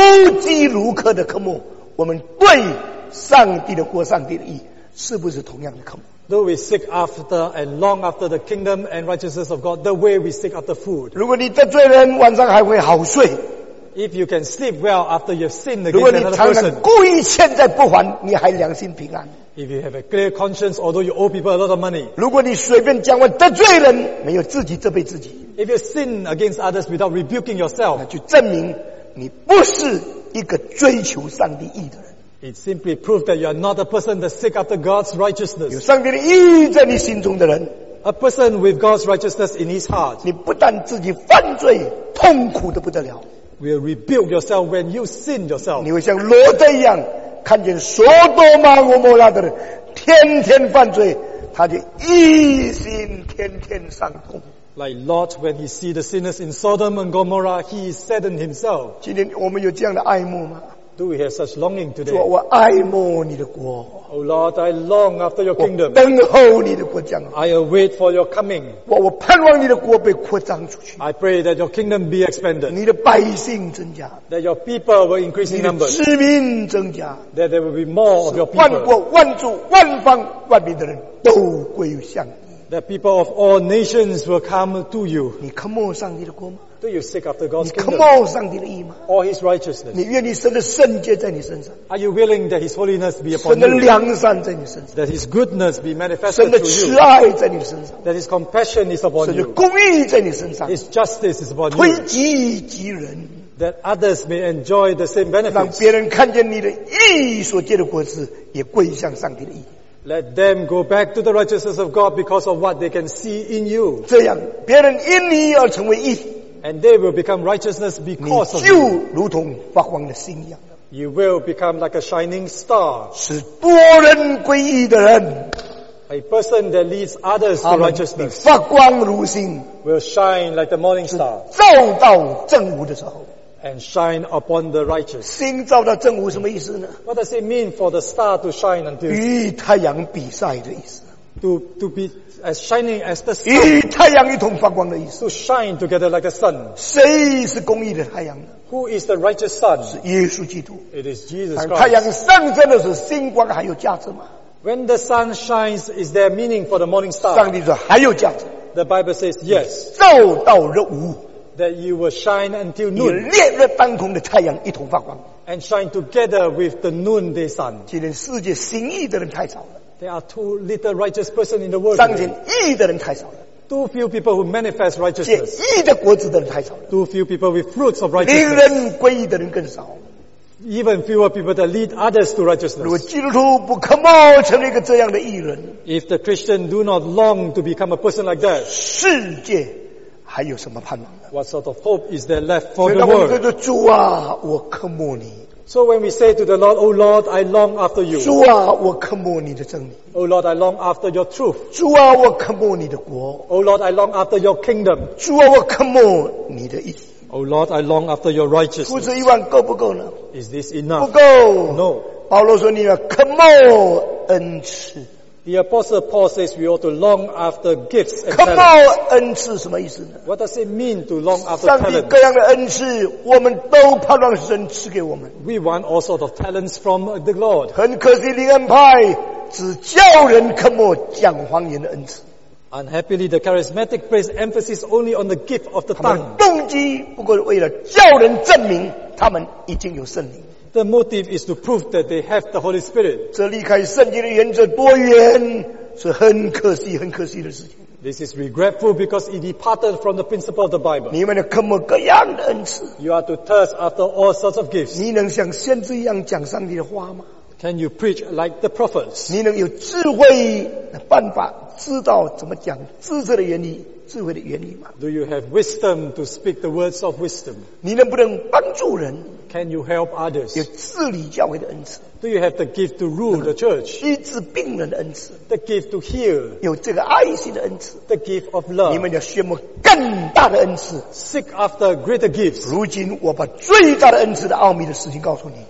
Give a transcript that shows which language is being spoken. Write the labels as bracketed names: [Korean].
[Chinese] 如果我们对身体的食物如饥如渴的科目, 我们对上帝的国上帝的义, 是不是同样的科目? [English] Though we seek after and long after the kingdom and righteousness of God, the way we seek after food. [Chinese] 如果你得罪人, 晚上还会好睡。 [English] If you can sleep well after you've sinned against another person. [Chinese] 如果你常常故意欠债不还, 你还良心平安。 [English] If you have a clear conscience, although you owe people a lot of money. [Chinese] 如果你随便讲话得罪人, 没有自己责备自己。 [English] If you sin against others without rebuking yourself. [Chinese] 那就证明你不是一个追求上帝义的人。 [English] It simply proves that you are not a person that seeks after God's righteousness. [Chinese] 有上帝的义在你心中的人, [English] a person with God's righteousness in his heart. [Chinese] 你不但自己犯罪, 痛苦得不得了, [English] will rebuke yourself when you sin yourself. [Chinese] 你会像罗德一样, 看见所多玛、俄摩拉的人, 天天犯罪, 他就一心天天上供。 [English] Like Lot, when he sees the sinners in Sodom and Gomorrah, he saddened himself. [Chinese] 今天我们有这样的爱慕吗? [English] Do we have such longing today? [Chinese] 主啊,我爱慕你的国。 [English] Oh Lord, I long after your kingdom. [Chinese] 我等候你的国将。 [English] I await for your coming. [Chinese] 我盼望你的国被扩张出去。 [English] I pray that your kingdom be expanded. [Chinese] 你的百姓增加。 [English] That your people will increase in numbers. [Chinese] 你的子民增加。 [English] That there will be more of your people. [Chinese] 万国万族万方万民的人都归向你。 [English] That people of all nations will come to you. [Chinese] 你渴慕上帝的国吗? [English] Do you seek after God's kingdom? [Chinese] 你渴慕上帝的义吗？ [English] Or His righteousness? [Chinese] 你愿意神的圣洁在你身上？ [English] Are you willing that His holiness be upon you? [Chinese] 神的良善在你身上？ [English] That His goodness be manifested to you? [Chinese] 神的慈爱在你身上？ [English] That His compassion is upon you? [Chinese] 神的公义在你身上？ [English] His justice is upon you? [Chinese] 推己及及人。 [English] That others may enjoy the same benefits. [Chinese] 让别人看见你的义所结的果子，也归向上帝的义。 [English] Let them go back to the righteousness of God because of what they can see in you. [Chinese] 这样，别人因你而成为义。 [English] And they will become righteousness because of you. [Chinese] 你就如同发光的星一样。 [English] You will become like a shining star. [Chinese] 使多人归义的人。 [English] A person that leads others to righteousness. [Chinese] 发光如星。 [English] Will shine like the morning star. [Chinese] 照到正午的时候。 [English] And shine upon the righteous. [Chinese] 星照到正午什么意思呢？ [English] What does it mean for the star to shine until? [Chinese] 与太阳比赛的意思。 [English] To be as shining as the sun. [Chinese] 与太阳一同发光的意思。 [English] To shine together like a sun. [Chinese] 谁是公义的太阳呢？ [English] Who is the righteous sun? [Chinese] 是耶稣基督。 [English] It is Jesus Christ. [Chinese] 当太阳上升的时候，星光还有价值吗？ [English] When the sun shines, is there meaning for the morning star? [Chinese] 上帝说还有价值。 [English] The Bible says yes. [Chinese] 照到日午。 [English] That you will shine until noon. [Chinese] 与烈日当空的太阳一同发光。 [English] And shine together with the noonday sun. [Chinese] 今天世界行义的人太少了。 [English] There are too little righteous persons in the world. [Chinese] 彰显义的人太少了。 [English] Too few people who manifest righteousness. [Chinese] 结义的果子的人太少了。 [English] Too few people with fruits of righteousness. [Chinese] 令人归义的人更少。 [English] Even fewer people that lead others to righteousness. [Chinese] 如果基督徒不渴慕成为一个这样的义人。 [English] If the Christian do not long to become a person like that. [Chinese] 世界还有什么盼望？ [English] What sort of hope is there left for the world? [Chinese] 所以我们说主啊，我渴慕你。 [English] So when we say to the Lord, Oh Lord, I long after you. [Chinese] 主啊，我渴慕你的真理。 [English] Oh Lord, I long after your truth. [Chinese] 主啊，我渴慕你的国。 [English] Oh Lord, I long after your kingdom. [Chinese] 主啊，我渴慕你的义。 [English] Oh Lord, I long after your righteousness. [Chinese] 不止一万够不够呢？ [English] Is this enough? [Chinese] 不够。 [English] No. [Chinese] 保罗说你要渴慕恩赐。 [English] The Apostle Paul says we ought to long after gifts and talents. [Chinese] 渴慕恩赐什么意思呢？ [English] What does it mean to long after talents? [Chinese] 上帝各样的恩赐，我们都盼望神赐给我们。 [English] We want all sorts of talents from the Lord. [Chinese] 很可惜，灵恩派只叫人渴慕讲方言的恩赐。 [English] Unhappily, the charismatic place emphasis only on the gift of the tongue. [Chinese] 他们动机不过是为了叫人证明他们已经有圣灵。 [English] The motive is to prove that they have the Holy Spirit. [Chinese] 这离开圣经的原则多远，是很可惜、很可惜的事情。 [English] This is regretful because it departed from the principle of the Bible. [Chinese] 你们要渴慕各样的恩赐。 [English] You are to thirst after all sorts of gifts. [Chinese] 你能像先知一样讲上帝的话吗？ [English] Can you preach like the prophets? [Chinese] 你能有智慧的办法，知道怎么讲知识的原理、智慧的原理吗？ [English] Do you have wisdom to speak the words of wisdom? [Chinese] 你能不能帮助人？ [English] Can you help others? [Chinese] 有治理教会的恩赐。 [English] Do you have the gift to rule the church? [Chinese] 医治病人的恩赐。 [English] The gift to heal. [Chinese] 有这个爱心的恩赐。 [English] The gift of love. [Chinese] 你们要宣布更大的恩赐。 [English] Seek after greater gifts. [Chinese] 如今我把最大的恩赐的奥秘的事情告诉你。